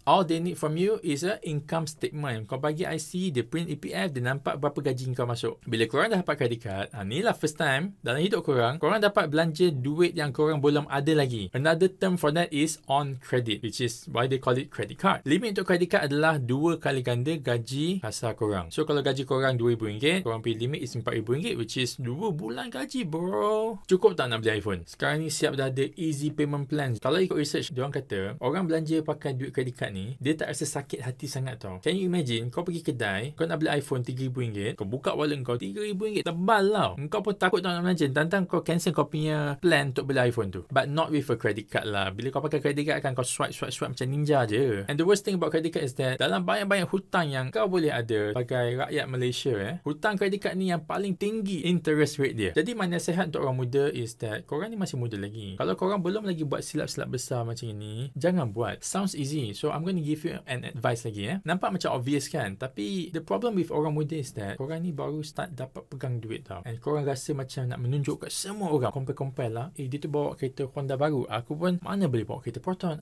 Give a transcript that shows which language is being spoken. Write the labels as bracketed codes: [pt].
[en] All they need from you is a income statement. [ms] Kau bagi IC, dia print EPF, dia nampak berapa gaji kau masuk. Bila korang dah dapat credit card, ni lah first time dalam hidup korang, korang dapat belanja duit yang korang belum ada lagi. [en] Another term for that is on credit, which is why they call it credit card. [ms] Limit untuk credit card adalah 2 kali ganda gaji kasar korang. So kalau gaji korang RM2,000, korang pilih limit is RM4,000, [en] which is [ms] 2 bulan gaji bro. Cukup tak nak beli iPhone? Sekarang ni siap dah ada easy payment plan. Kalau ikut research, diorang kata orang belanja pakai duit credit card ni, dia tak rasa sakit hati sangat tau. [en] Can you imagine, [ms] kau pergi kedai, kau nak beli iPhone RM3,000, kau buka wallet kau, RM3,000 tebal lah. Kau pun takut tak nak belanja, tantang kau cancel kau punya plan untuk beli iPhone tu. [en] But not with a credit card lah. [ms] Bila kau pakai credit card kan, kau swipe macam ninja je. [en] And the worst thing about credit card is that [ms] dalam banyak-banyak hutang yang kau boleh ada sebagai rakyat Malaysia hutang credit card ni yang paling tinggi interest rate dia. Jadi mana sehat untuk orang muda [en] is that [ms] korang ni masih muda lagi. Kalau korang belum lagi buat silap-silap besar macam ini, jangan buat. [en] Sounds easy. So I'm going to give you an advice [ms] lagi Nampak macam obvious kan? Tapi [en] the problem with [ms] orang muda [en] is that [ms] korang ni baru start dapat pegang duit tau. [en] And [ms] korang rasa macam nak menunjuk kat semua orang. Compare-compare lah. Dia tu bawa kereta Honda baru. Aku pun mana boleh bawa kereta Proton.